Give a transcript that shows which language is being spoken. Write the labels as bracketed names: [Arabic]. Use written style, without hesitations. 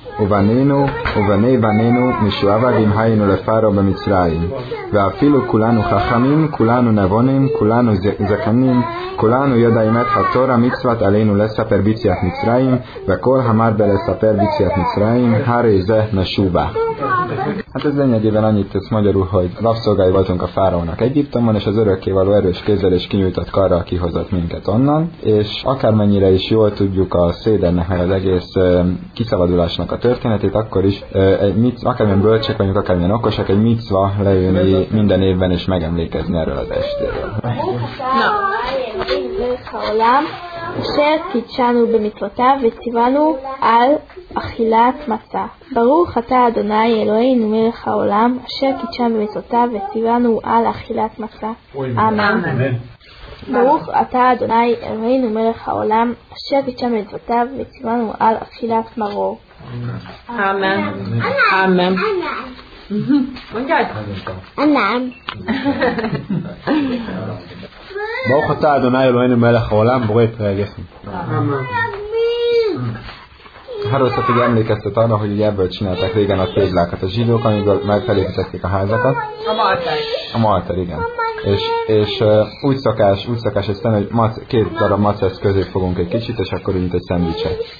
[Hebrew] ובנינו ובני בנינו משועבדים היינו לפרעה במצרים, ואפילו כולנו חכמים, כולנו נבונים, כולנו זקנים, כולנו יודעים את התורה מצוות עלינו לספר ביציאת מצרים, וכל המרבה לספר ביציאת מצרים, הרי זה נשובה. [Hungarian] Hát ez lényegében annyit tesz magyarul, hogy rabszolgái voltunk a fáraónak Egyiptomban, és az örökké való erős kézzel és kinyújtott karral kihozott minket onnan, és akármennyire is jól tudjuk a szédernek meg az egész kiszabadulásnak a történetét, akkor is akármilyen bölcsek vagyunk, akármilyen okosak, egy micva leülni minden évben és megemlékezni erről az estéről. Na. [Hebrew] אשר קידשנו במצוותיו וציוונו על אכילת מצה. ברוך אתה אדוני אלוהינו מלך העולם אשר קידשנו במצוותיו וציוונו על אכילת מצה. אמן. ברוך אתה אדוני אלוהינו מלך העולם אשר קידשנו במצוותיו וציוונו על אכילת מרור. אמן. אמן. ברוך אתה אדוני אלוהינו מלך העולם בורא פרי הגפן. [Hungarian] Harold Szati emlékeztet arra, hogy ebből csináltak régen a téglákat a zsidók, amiből megfelépítették a házakat. A malter. A malter, igen. És úgy szokás ezt tenni, hogy két darab macesz közé fogunk egy kicsit, és akkor mint egy szendvicset.